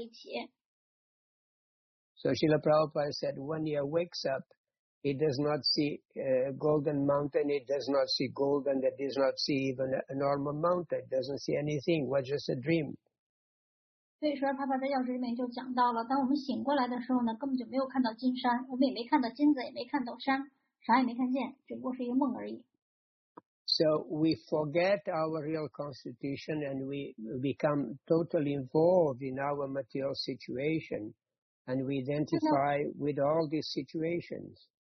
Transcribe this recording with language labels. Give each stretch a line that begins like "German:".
Chinese: 这只不过是一个梦而已，因为在现实中呢，我们可能见过金子，我们也见过山，所以在梦里呢，我们就把金子跟山给连在了一起。
English: So Srila Prabhupada said, when he wakes up, he does not see golden mountain, he does not see gold, and he does not see even a normal mountain, doesn't see anything, was just a dream.
Chinese: 所以说，帕帕在药师里面就讲到了，当我们醒过来的时候呢，根本就没有看到金山，我们也没看到金子，也没看到山，啥也没看见，只不过是一个梦而已。
English: So we forget our real constitution and we become totally involved in our material situation and we identify with all these situations.